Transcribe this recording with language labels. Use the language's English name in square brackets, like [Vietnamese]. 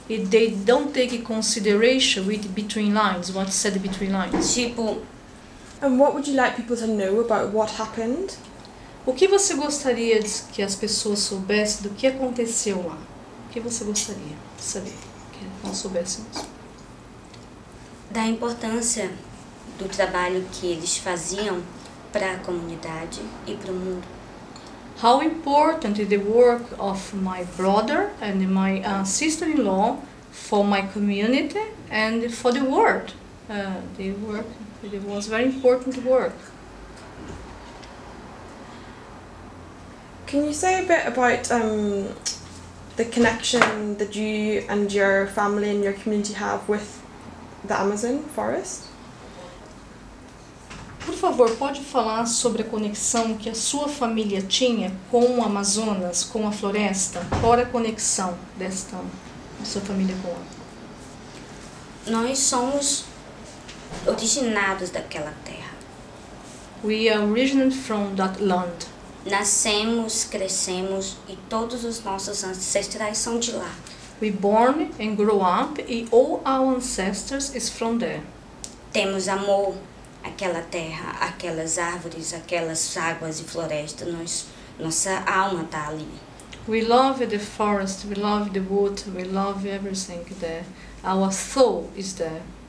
[English] If they don't take consideration with between lines, what's said between lines. [Portuguese] Tipo. [English] And what would you like people to know about what happened? [Portuguese] O que você gostaria que as pessoas soubessem do que aconteceu lá? O que você gostaria de saber que nós soubéssemos? Da importância do trabalho que eles faziam para a comunidade e para o mundo. [English] How important is the work of my brother and my sister-in-law for my community and for the world? It was very important work. Can you say a bit about the connection that you and your family and your community have with the Amazon forest? [Portuguese] Por favor, pode falar sobre a conexão que a sua família tinha com o Amazonas, com a floresta? Qual a conexão desta sua família com ela? Nós somos originados daquela terra. [English] We are originated from that land. [Portuguese] Nascemos, crescemos e todos os nossos ancestrais são de lá. [English] We born and grow up and all our ancestors is from there. [Portuguese] Temos amor àquela terra, aquelas árvores, aquelas águas e florestas. Nossa alma está ali. [English] We love the forest, we love the wood, we love everything there. Our soul is there.